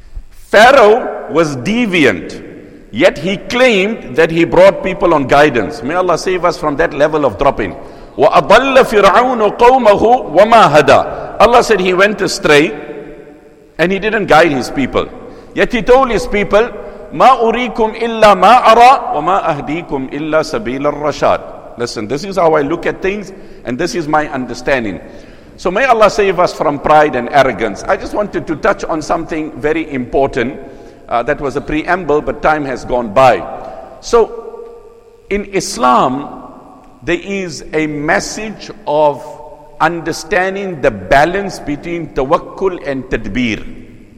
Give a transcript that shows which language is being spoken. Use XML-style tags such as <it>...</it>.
<en>Pharaoh was deviant. Yet he claimed that he brought people on guidance. May Allah save us from that level of dropping.</en> <ar>وَأَضَلَّ فِرْعَوْنُ قَوْمَهُ وَمَا هَدَى.</ar> <en>Allah said he went astray and he didn't guide his people. Yet he told his people,</en> <ar>مَا أُرِيكُمْ إِلَّا مَا أَرَى وَمَا أَهْدِيكُمْ إِلَّا سَبِيلَ الرَّشَادِ.</ar> <en>Listen, this is how I look at things and this is my understanding. So may Allah save us from pride and arrogance. I just wanted to touch on something very important. That was a preamble, but time has gone by. So, in Islam, there is a message of understanding the balance between tawakkul and tadbir.</en>